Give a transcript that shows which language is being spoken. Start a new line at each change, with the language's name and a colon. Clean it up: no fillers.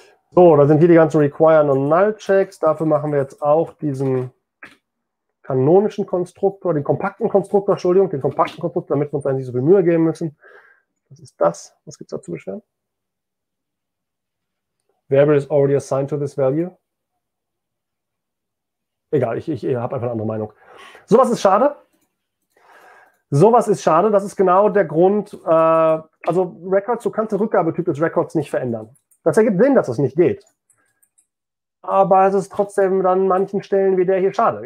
German: So, da sind hier die ganzen Require und Null-Checks. Dafür machen wir jetzt auch diesen kanonischen Konstruktor, den kompakten Konstruktor, Entschuldigung, den kompakten Konstruktor, damit wir uns eigentlich so viel Mühe geben müssen. Was ist das? Was gibt es da zu beschweren?
English: Variable is already assigned to this value.
German: Egal, ich habe einfach eine andere Meinung. Sowas ist schade. Sowas ist schade. Das ist genau der Grund, also Records, du kannst den Rückgabetyp des Records nicht verändern. Das ergibt Sinn, dass es nicht geht. Aber es ist trotzdem dann an manchen Stellen wie der hier schade.